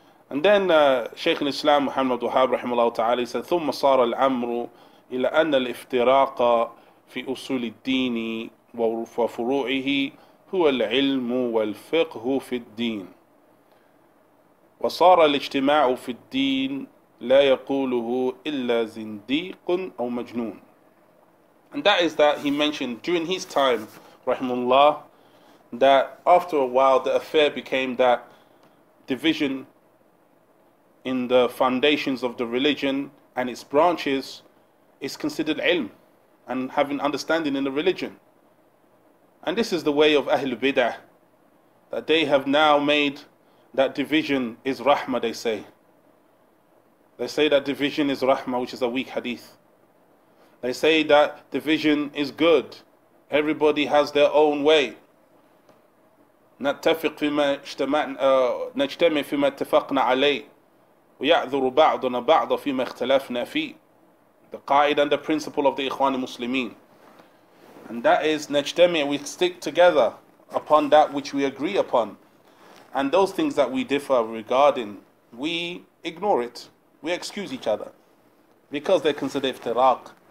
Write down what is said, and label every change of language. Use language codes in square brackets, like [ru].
[en] And then Shaykh al-Islam Muhammad Wahhab rahimahullah ta'ala, he said, [ar] ثُمَّ صَارَ الْعَمْرُ إِلَىٰ أَنَّ الْإِفْتِرَاقَ فِي أُصُولِ الدِّينِ وَفُرُوعِهِ هُوَ الْعِلْمُ وَالْفِقْهُ فِي الدِّينِ وَصَارَ الْإِجْتِمَاعُ فِي الدِّينِ لَا يَقُولُهُ إِلَّا زِنْدِيقٌ أَوْ مَجْنُونٌ. [en] And that is that he mentioned during his time, rahimahullah, that after a while the affair became that division in the foundations of the religion and its branches is considered ilm and having understanding in the religion. And this is the way of Ahl Bidah, that they have now made that division is Rahmah, they say. They say that division is Rahmah, which is a weak hadith. They say that division is good. Everybody has their own way. [ar] نتفق فيما نجتمع فيما اتفقنا عليه ويعذر بعضنا بعض فيما اختلفنا فيه. [en] The qaid and the principle of the Ikhwan al-Muslimin. And that is [ar] نجتمع, [en] we stick together upon that which we agree upon. And those things that we differ regarding, we ignore it. We excuse each other. Because they consider iftiraq.